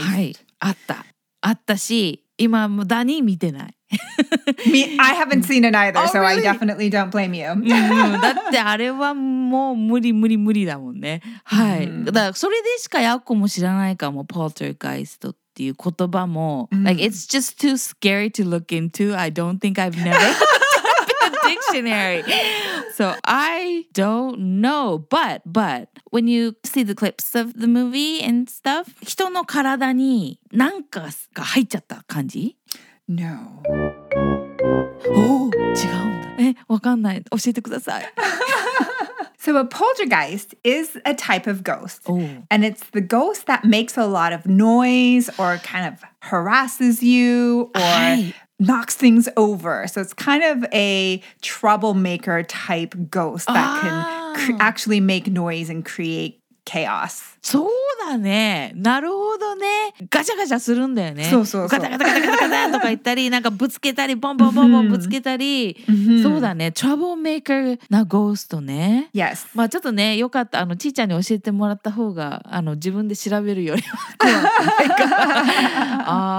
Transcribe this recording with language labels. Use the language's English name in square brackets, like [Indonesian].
[Japanese] はい、あった。あったし、今もダニー見てない。 [English] I haven't seen it either, so really? I definitely don't blame you. [Japanese] だってあれはもう無理無理無理だもんね。はい。だからそれでしかヤコも知らないかも、poltergeist っていう言葉も。 [English] Like, it's just too scary to look into. I don't think I've never... dictionary. So I don't know, but when you see the clips of the movie and stuff, [Japanese] 人の体に何かが入っちゃった感じ? [English] No. Oh, [Japanese] 違うんだ。え、わかんない。教えてください。 [English] So a poltergeist is a type of ghost. Oh. And it's the ghost that makes a lot of noise or kind of harasses you or... knocks things over. So it's kind of a troublemaker type ghost that can actually make noise and create chaos. [Japanese] そうだね。なるほどね。ガチャガチャするんだよね。そうそうそう。ガタガタガタガタガタとか言ったり、なんかぶつけたり、ボンボンボンボンぶつけたり。そうだね。troublemaker なゴーストね。 [English] Yes. [Japanese] まあちょっとね、よかった。ちーちゃんに教えてもらった方が、自分で調べるよりは怖いか。